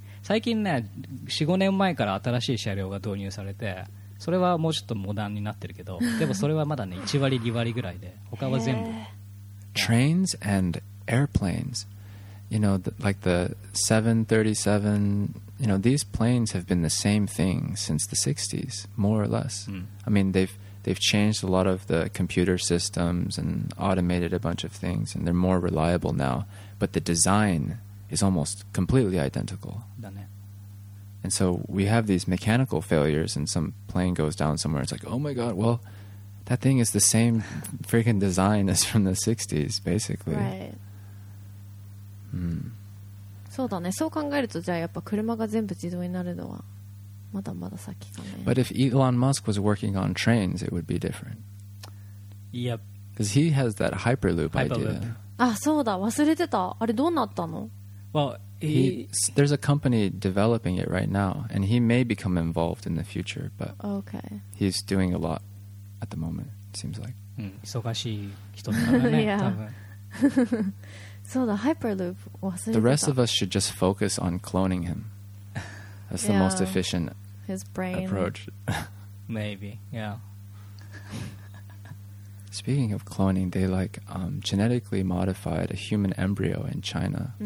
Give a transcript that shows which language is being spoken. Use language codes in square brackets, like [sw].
[ja] 最近ね、4、5年前から新しい車両が導入されて、それはもうちょっとモダンになってるけど、でもそれはまだね1割2割ぐらいで、他は全部。 [en] Trains and airplanes, you know, like the 737, you know, these planes have been the same thing since the 60s, more or less.、Mm. I mean, they've changed a lot of the computer systems and automated a bunch of things, and they're more reliable now. But the design is almost completely identical. [ja] だね。 [en] And so we have these mechanical failures and some plane goes down somewhere. It's like, oh my God, well, that thing is the same freaking design as from the 60s, basically. [ja] Right. Mm. そうだね。そう考えるとじゃあやっぱ車が全部自動になるのはまだまだ先かね。 [en] But if Elon Musk was working on trains, it would be different. Yep. Because he has that Hyperloop idea. [ja] あ、そうだ。忘れてた。あれどうなったの? [en] Well, There's a company developing it right now, and he may become involved in the future, but、 okay. he's doing a lot at the moment, it seems like.、 [ja] うん、忙しい人だからね、 [en] <Yeah. [ja] 多分> そうだ、Hyperloop 忘れてた。 [en] The rest of us should just focus on cloning him. That's the most efficient His brain. approach. Maybe, yeah. Speaking of cloning, they like、genetically modified a human embryo in China、mm.